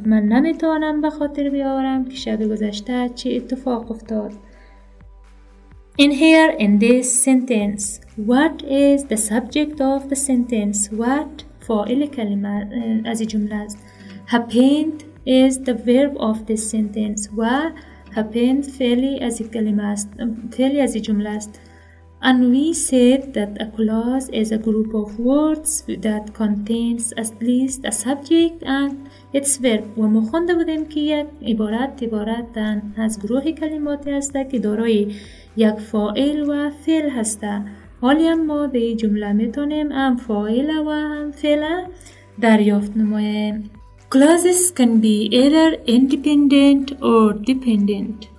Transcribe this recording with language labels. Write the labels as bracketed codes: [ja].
[fa] من نمیتونم به خاطر بیارم که شب گذشته چه اتفاق افتاد. [en] In here, in this sentence, what is the subject of the sentence? [fa] What فاعل کلمه از جمله است. [en] Happened is the verb of this sentence. [fa] و happened فعلی از کلمه است. فعلی از جمله است. [en] And we said that a clause is a group of words that contains at least a subject and its verb. [fa] و ما خونده بودیم که یک عبارت از گروه کلماتی است که دارای یک فاعل و فعل هسته. حالی هم ما به جمله میتونیم هم فاعل و هم فعل دریافت نماییم. [en] Clauses can be either independent or dependent.